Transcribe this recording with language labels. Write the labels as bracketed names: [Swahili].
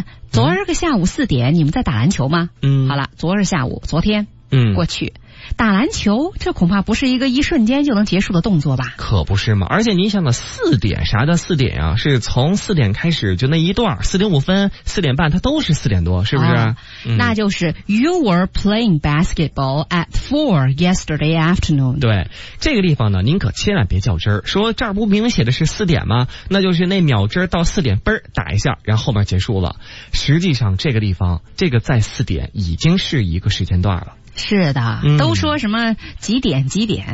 [Chinese] 昨儿个下午四点，你们在打篮球吗？嗯，好了，昨儿下午，昨天，嗯，过去打篮球，这恐怕不是一个一瞬间就能结束的动作吧？可不是嘛！而且您想的四点，啥叫四点啊？是从四点开始就那一段，四点五分、四点半，它都是四点多，是不是？那就是 [English] you were playing basketball at four yesterday afternoon。 [Chinese] 对，这个地方呢，您可千万别较真儿，说这儿不明显的是四点吗？那就是那秒针到四点嘣打一下，然后后面结束了。实际上，这个地方，这个在四点已经是一个时间段了。是的，都说什么几点几点，